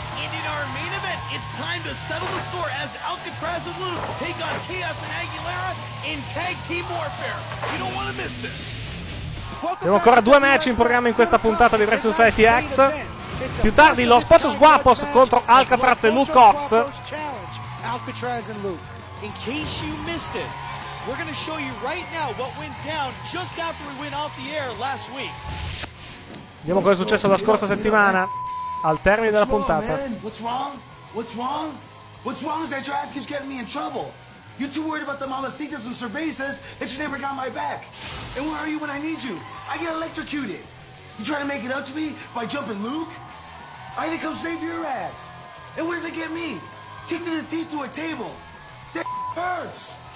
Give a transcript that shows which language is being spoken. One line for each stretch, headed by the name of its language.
English: In our main event, it's time to settle the score as Alcatraz and Luke take on Chaos and Aguilera in tag team warfare. You don't want to miss this.
Italian: Abbiamo ancora due match in programma in questa puntata di Wrestling Society X. Più tardi lo Spochos Guapos contro Alcatraz e Luke Ox.
English: In case you missed it, we're gonna show you right now what went down just after we went off the air last week.
Italian: Vediamo cosa è successo la scorsa settimana al termine della puntata.
English: What's wrong? Is that your ass keeps getting me in trouble? You're too worried about the mamacitas and cervezas that you never got my back. And where are you when I need you? I get electrocuted. You trying to make it up to me by jumping Luke? I had to come save your ass. And what does it get me? Kicked in the teeth through a table. That hurts.